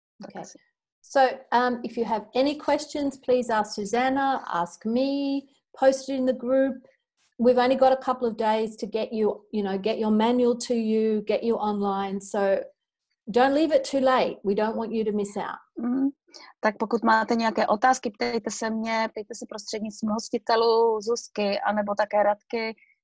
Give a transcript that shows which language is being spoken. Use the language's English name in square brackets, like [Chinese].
[English] Okay. So if you have any questions, please ask Susanna, ask me, post it in the group. We've only got a couple of days to get you, you know, get your manual to you, get you online. So don't leave it too late. We don't want you to miss out. [Czech] Tak pokud máte nějaké otázky, ptejte se mě, ptejte se prostřednictvím hostitelů, Zuzky, anebo také Radky.